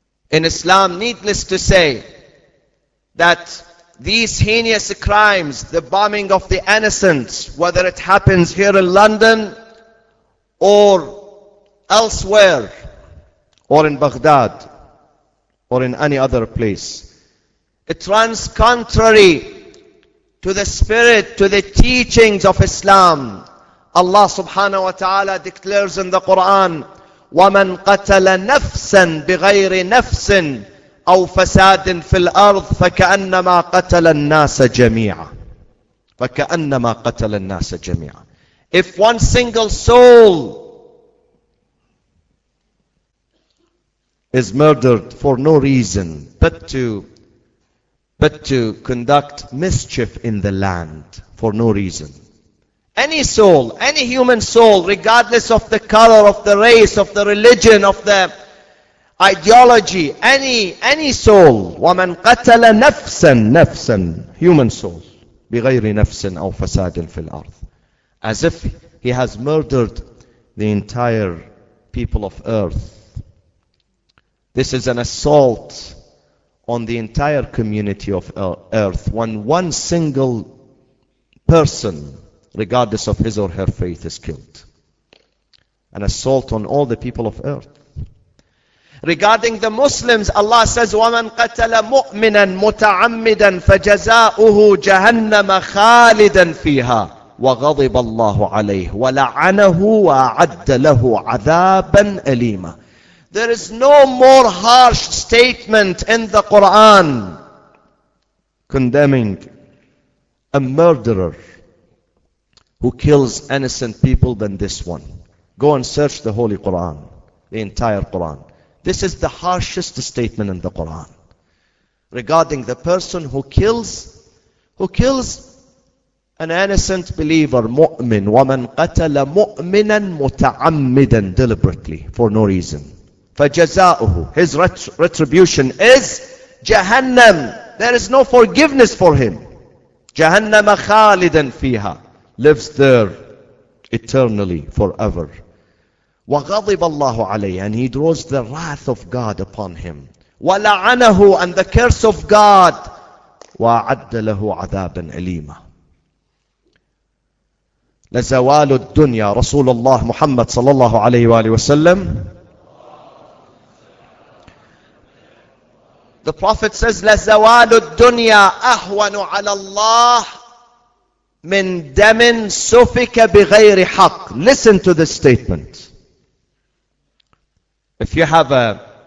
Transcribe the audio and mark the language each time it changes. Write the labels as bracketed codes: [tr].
[en] In Islam, needless to say, that these heinous crimes, the bombing of the innocents, whether it happens here in London or elsewhere, or in Baghdad, or in any other place, it runs contrary to the spirit, to the teachings of Islam. Allah subhanahu wa ta'ala declares in the Quran, [ar] وَمَنْ قَتَلَ نَفْسًا بِغَيْرِ نَفْسٍ أَوْ فَسَادٍ فِي الْأَرْضِ فَكَأَنَّمَا قَتَلَ النَّاسَ جَمِيعًا فَكَأَنَّمَا قَتَلَ النَّاسَ جَمِيعًا. [en] If one single soul is murdered for no reason but to conduct mischief in the land for no reason. Any soul, any human soul, regardless of the color, of the race, of the religion, of the ideology, any soul, [ar] وَمَنْ قَتَلَ نَفْسًا [en] human soul, [ar] بِغَيْرِ نَفْسٍ أَوْ فَسَادٍ فِي الْأَرْضِ, [en] as if he has murdered the entire people of earth. This is an assault on the entire community of earth, when one single person, regardless of his or her faith, is killed. An assault on all the people of earth. Regarding the Muslims, Allah says, [ar] وَمَنْ قَتَلَ مُؤْمِنًا مُتَعَمِّدًا فَجَزَاؤُهُ جَهَنَّمَ خَالِدًا فِيهَا وَغَضِبَ اللَّهُ عَلَيْهُ وَلَعَنَهُ وَأَعَدَّ لَهُ عَذَابًا أَلِيمًا. [en] There is no more harsh statement in the Quran condemning a murderer who kills innocent people than this one. Go and search the Holy Quran, the entire Quran. This is the harshest statement in the Quran regarding the person who kills an innocent believer, mu'min. [ar] وَمَنْ قَتَلَ مُؤْمِنًا مُتَعَمِّدًا, [en] deliberately, for no reason. [ar] فَجَزَاؤُهُ, [en] his retribution is جَهَنَّم. There is no forgiveness for him. [ar] جَهَنَّمَ خَالِدًا فِيهَا, [en] lives there eternally, forever. [ar] وَغَضِبَ اللَّهُ عَلَيْهِ, [en] and he draws the wrath of God upon him. [ar] وَلَعَنَهُ, [en] and the curse of God. [ar] وَعَدَّ لَهُ عَذَابًا أَلِيمًا. لَزَوَالُ الدُّنْيَا, رسول الله محمد صلى الله عليه وآله وسلم, [en] the Prophet says, [ar] لَزَوَالُ الدُّنْيَا أَهْوَنُ عَلَى اللَّهِ مِنْ دَمٍ سُفِكَ بِغَيْرِ حَقٍ. [en] Listen to this statement. If you have a